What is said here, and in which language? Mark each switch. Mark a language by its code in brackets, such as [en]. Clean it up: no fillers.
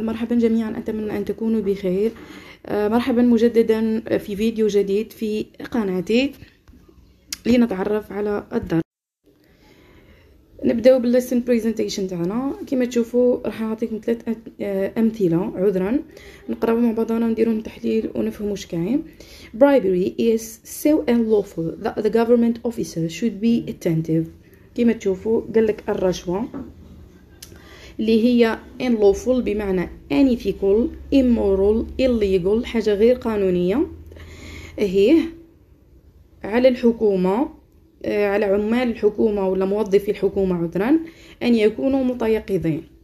[ar] مرحبا جميعا، أتمنى أن تكونوا بخير. مرحبا مجددا في فيديو جديد في قناتي لنتعرف على الدرس. نبدأ باللسن بريزنتيشن تاعنا. كما تشوفوا راح نعطيكم ثلاث أمثلة، عذرا نقراو مع بعضنا ونديرو تحليل ونفهمو واش كاين. [en] Bribery is so unlawful that the government officer should be attentive. [ar] كما تشوفوا قال لك الرشوة اللي هي unlawful بمعنى [en] unethical immoral illegal [ar] حاجة غير قانونية، هي على الحكومة على عمال الحكومة ولا موظفي الحكومة عذرا أن يكونوا متيقظين.